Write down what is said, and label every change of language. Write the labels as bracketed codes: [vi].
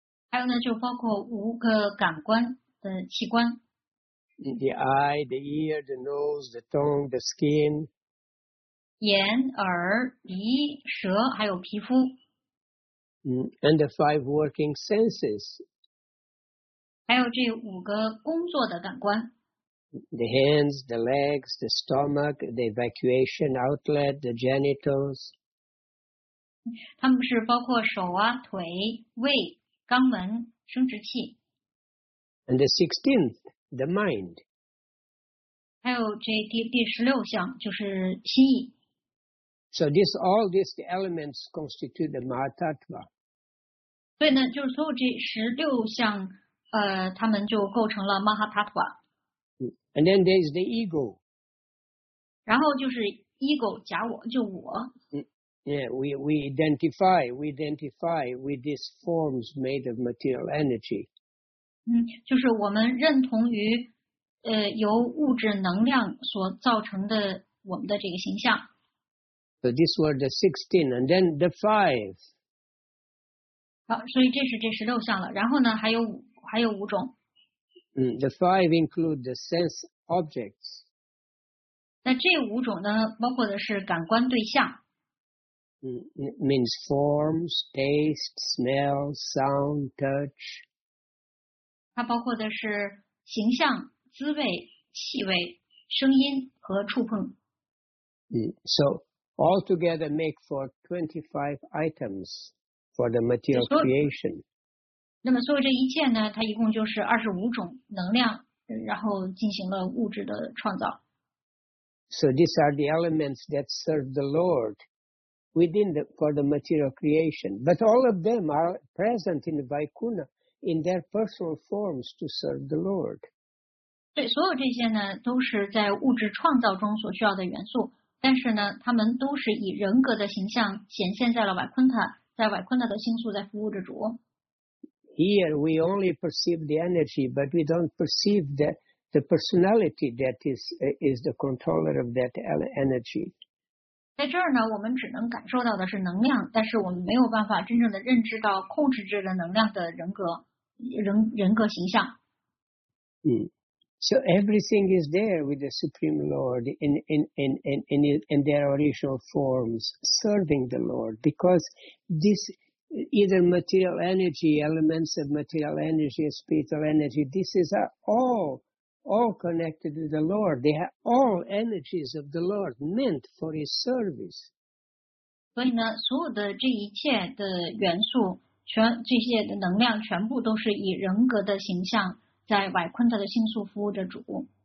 [zh] 还有呢，就包括五个感官的器官。 [en] The eye, the ear, the nose, the tongue, the skin. [zh] 眼、耳、鼻、舌，还有皮肤。 [en] And the five working senses. [zh] 还有这五个工作的感官 [en] ，the hands, the legs, the stomach, the evacuation outlet, the genitals. [zh] 它们是包括手啊、腿、胃、肛门、生殖器。 [en] And the 16th, the mind. [zh] 还有这第16项就是心意。 [en] So this, all these elements constitute the Mahatattva. [zh] 所以呢，就是所有这16项，它们就构成了 Mahatattva。 [en] And then there is the ego. [zh] 然后就是 ego, 假我，就我。 [en] Yeah, we identify with these forms made of material energy. [zh] 就是我们认同于由物质能量所造成的我们的这个形象。 [en] So these were the 16, and then the 5. [zh] 好，所以这是这十六项了，然后呢还有五种。 [en] The 5 include the sense objects. [zh] 那这五种呢，包括的是感官对象。 [en] Means forms, taste, smell, sound, touch. [zh] 它包括的是形象、滋味、气味、声音和触碰。 [en] So all together make for 25 items for the material creation. [zh] 那么所有这一切呢，它一共就是25种能量，然后进行了物质的创造。 [en] So these are the elements that serve the Lord. For the material creation. But all of them are present in Vaikuntha in their personal forms to serve the Lord. [zh] 对，所有这些呢，都是在物质创造中所需要的元素，但是呢，他们都是以人格的形象显现在了 Vaikuntha, 在 Vaikuntha的星宿在服务着主。 [en] Here we only perceive the energy, but we don't perceive the personality that is the controller of that energy. [zh] 在这儿呢，我们只能感受到的是能量，但是我们没有办法真正的认知到控制着的能量的人格形象。 [en] So everything is there with the Supreme Lord in their original forms, serving the Lord, because this either material energy, elements of material energy, spiritual energy, this is all connected to the Lord. They are all energies of the Lord meant for His service. [zh] 所以呢，所有的这一切的元素，全这些的能量，全部都是以人格的形象在瓦昆特的星宿服务着主。